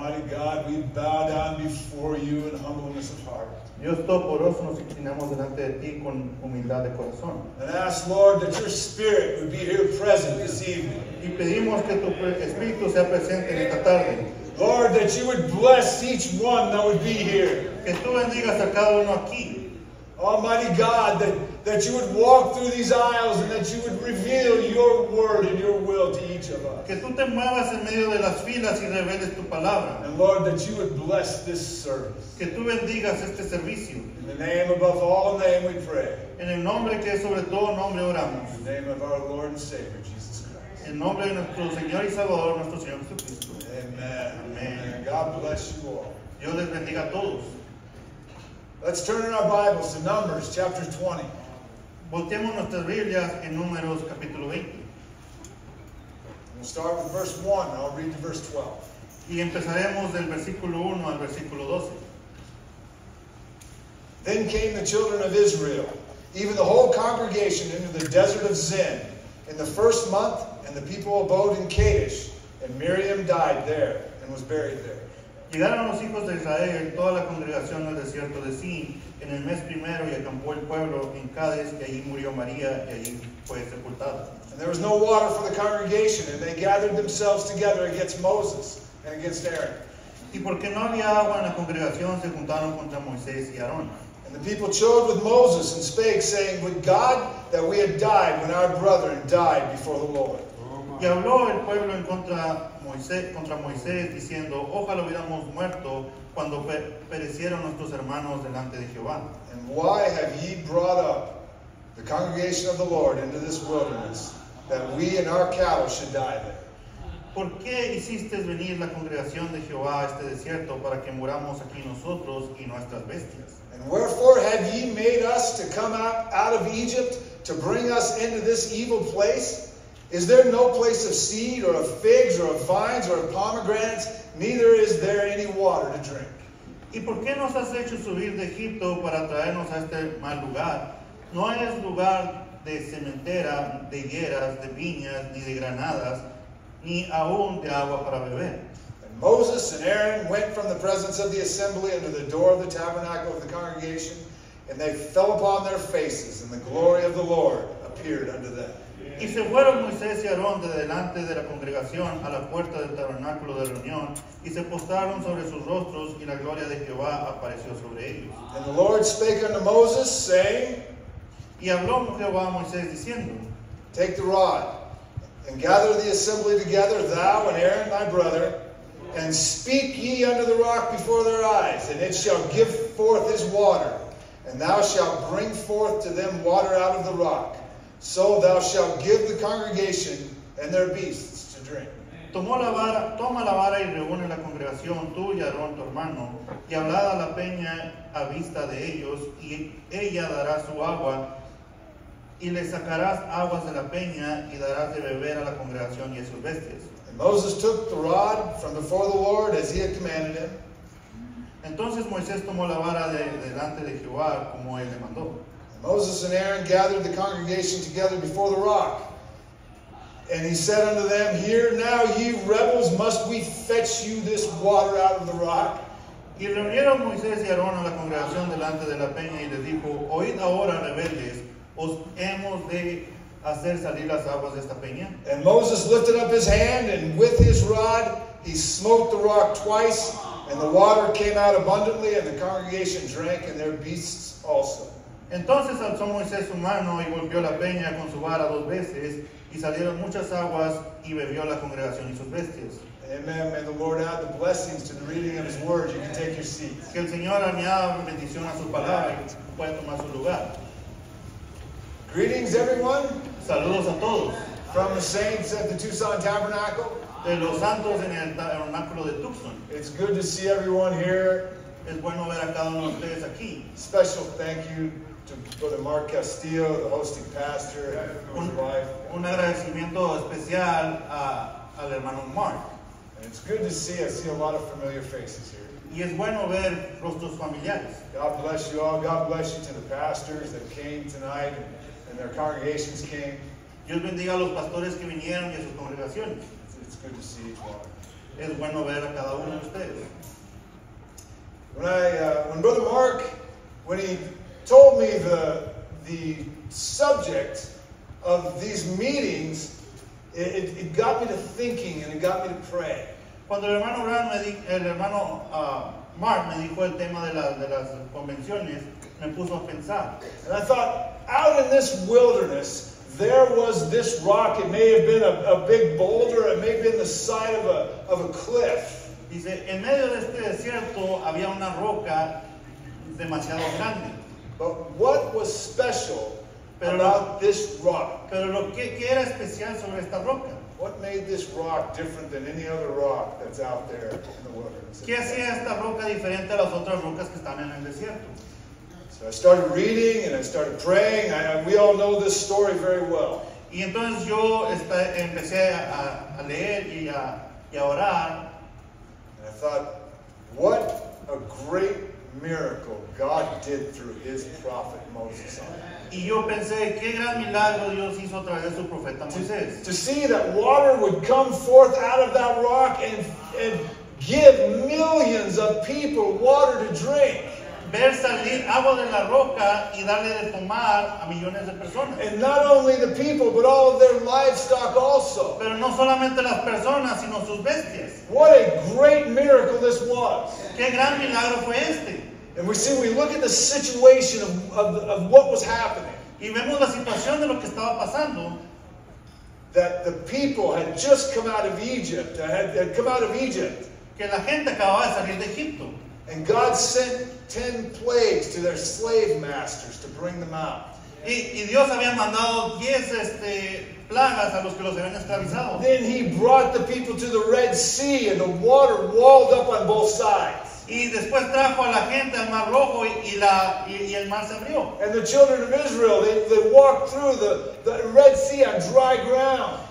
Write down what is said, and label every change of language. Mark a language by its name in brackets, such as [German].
[English] God, we bow down before you in humbleness of heart. [Spanish] Dios todopoderoso, nos inclinamos delante de ti con humildad de corazón. [English] And ask, Lord, that your spirit would be here present this evening. [Spanish] Y pedimos que tu espíritu sea presente en esta tarde. [English] Lord, that you would bless each one that would be here. [Spanish] Que tú bendigas a cada uno aquí. [English] Almighty God, that you would walk through these aisles and that you would reveal your word and your will to each of us. [Spanish] Que tú te muevas en medio de las filas y reveles tu palabra. [English] And Lord, that you would bless this service. [Spanish] Que tú bendigas este servicio. [English] In the name above all name we pray. [Spanish] En el nombre que sobre todo nombre oramos. [English] In the name of our Lord and Savior, Jesus Christ. [Spanish] En nombre de nuestro Señor y Salvador, nuestro Señor Jesucristo. [English] Amen. Amen. God bless you all. [Spanish] Dios les bendiga a todos. [English] Let's turn in our Bibles to Numbers chapter 20. [Spanish] Volteemos nuestras Biblias en Números capítulo 20. [English] We'll start with verse 1. I'll read to verse 12. [Spanish] Y empezaremos del versículo 1 al versículo 12. [English] Then came the children of Israel, even the whole congregation, into the desert of Zin in the first month, and the people abode in Kadesh, and Miriam died there and was buried there. [Spanish] Llegaron los hijos de Israel, toda la congregación al desierto de Zin, en el mes primero, y acampó el pueblo en Cades, y allí murió María, y allí fue sepultada. [English] And there was no water for the congregation, and they gathered themselves together against Moses and against Aaron. [Spanish] Y porque no había agua en la congregación, se juntaron contra Moisés y Aarón. [English] And the people chode with Moses and spake, saying, Would God that we had died when our brethren died before the Lord. [Spanish] Y habló el pueblo en contra Moisés, diciendo, Ojalá hubiéramos muerto cuando perecieron nuestros hermanos delante de Jehová. [English] And why have ye brought up the congregation of the Lord into this wilderness, that we and our cattle should die there? [Spanish] ¿Por qué hiciste venir la congregación de Jehová a este desierto para que muramos aquí nosotros y nuestras bestias? [English] And wherefore have ye made us to come out of Egypt to bring us into this evil place? Is there no place of seed, or of figs, or of vines, or of pomegranates? Neither is there any water to drink. [Spanish] ¿Y por qué nos has hecho subir de Egipto para traernos a este mal lugar? No hay lugar de sementera, de higueras, de viñas, ni de granadas, ni aún de agua para beber. [English] And Moses and Aaron went from the presence of the assembly unto the door of the tabernacle of the congregation, and they fell upon their faces, and the glory of the Lord appeared unto them. [Spanish] Y se fueron Moisés y Aarón de delante de la congregación a la puerta del tabernáculo de reunión, y se postraron sobre sus rostros, y la gloria de Jehová apareció sobre ellos. [English] And the Lord spake unto Moses, saying, [Spanish] Y habló Jehová a Moisés diciendo, [English] Take the rod, and gather the assembly together, thou and Aaron thy brother, and speak ye unto the rock before their eyes, and it shall give forth his water, and thou shalt bring forth to them water out of the rock. So thou shalt give the congregation and their beasts to drink. [Spanish] Toma la vara y reúne la congregación, tú y Aarón, tu hermano, y hablad a la peña a vista de ellos, y ella dará su agua, y le sacarás aguas de la peña, y darás de beber a la congregación y a sus bestias. [English] And Moses took the rod from before the Lord as he had commanded him. [Spanish] Entonces Moisés tomó la vara de delante de Jehová como él le mandó. [English] Moses and Aaron gathered the congregation together before the rock. And he said unto them, Hear now, ye rebels, must we fetch you this water out of the rock? [Spanish] Y reunieron Moisés y Aarón a la congregación delante de la peña y les dijo, Oíd ahora, rebeldes, os hemos de hacer salir las aguas de esta peña. [English] And Moses lifted up his hand, and with his rod he smote the rock twice, and the water came out abundantly, and the congregation drank, and their beasts also. [Spanish] Entonces alzó Moisés su mano y golpeó la peña con su vara dos veces, y salieron muchas aguas, y bebió la congregación y sus bestias. [English] Amen. May the Lord add the blessings to the reading of his word. You can take your seats. [Spanish] Que el Señor añada bendición a su palabra, y pueda tomar su lugar. [English] Greetings, everyone. [Spanish] Saludos a todos. [English] From the saints at the Tucson Tabernacle. [Spanish] De los santos en el tabernáculo de Tucson. [English] It's good to see everyone here. [Spanish] Es bueno ver a cada uno de ustedes aquí. [English] Special thank you to Brother Mark Castillo, the hosting pastor, and his wife. [Spanish] Un agradecimiento especial al hermano Mark. [English] And it's good to see. I see a lot of familiar faces here. [Spanish] Y es bueno ver rostros familiares. [English] God bless you all. God bless you to the pastors that came tonight and their congregations came. [Spanish] Dios bendiga a los pastores que vinieron y a sus congregaciones. [English] It's good to see each one. [Spanish] Es bueno ver a cada uno de ustedes. [English] When Brother Mark, when he told me the subject of these meetings, it got me to thinking and it got me to pray. [Spanish] Cuando el hermano Mark me dijo el tema de las convenciones, me puso a pensar. [English] And I thought, out in this wilderness, there was this rock. It may have been a big boulder. It may have been the side of a cliff. [Spanish] Dice, en medio de este desierto había una roca demasiado grande. [English] But what was special about this rock? [Spanish] Pero lo que era especial sobre esta roca? [English] What made this rock different than any other rock that's out there in the wilderness? [Spanish] ¿Qué hacía esta roca diferente a las otras rocas que están en el desierto? [English] So I started reading and I started praying. We all know this story very well. [Spanish] Y entonces yo empecé a leer y a orar. [English] And I thought, what a great miracle God did through his prophet Moses. [Spanish] Y yo pensé, qué gran milagro Dios hizo a través de su profeta Moisés. [English] To see that water would come forth out of that rock and give millions of people water to drink. [Spanish] Ver salir agua de la roca y darle de tomar a millones de personas. [English] And not only the people, but all of their livestock also. [Spanish] Pero no solamente las personas, sino sus bestias. [English] What a great miracle this was. [Spanish] Qué gran milagro fue este. [English] And we look at the situation of what was happening. [Spanish] Y vemos la situación de lo que estaba pasando. [English] That the people had just come out of Egypt. Had come out of Egypt. [Spanish] Que la gente acababa de salir de Egipto. [English] And God sent 10 plagues to their slave masters to bring them out. [Spanish] Y Dios había mandado 10 plagas a los que los habían esclavizado. [English] Then he brought the people to the Red Sea and the water walled up on both sides. [Spanish] Y después trajo a la gente al Mar Rojo y el mar se abrió. [English] And the children of Israel, they walked through the Red Sea on dry ground.